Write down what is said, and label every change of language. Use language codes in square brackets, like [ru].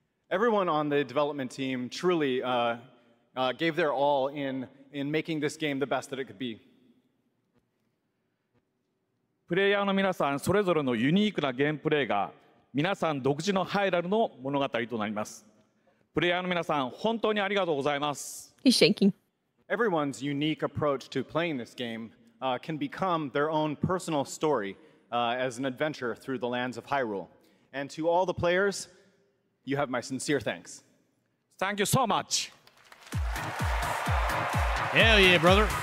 [en] Everyone on the development team truly gave their all in making this game the best that it could be. [ja] プレイヤーの皆さんそれぞれのユニークなゲームプレイが皆さん独自のハイラルの物語となります。プレイヤーの皆さん本当にありがとうございます。 [en] He's shaking. Everyone's unique approach to playing this game can become their own personal story as an adventure through the lands of Hyrule. And to all the players, you have my sincere thanks. Thank you so much. Hell yeah, brother.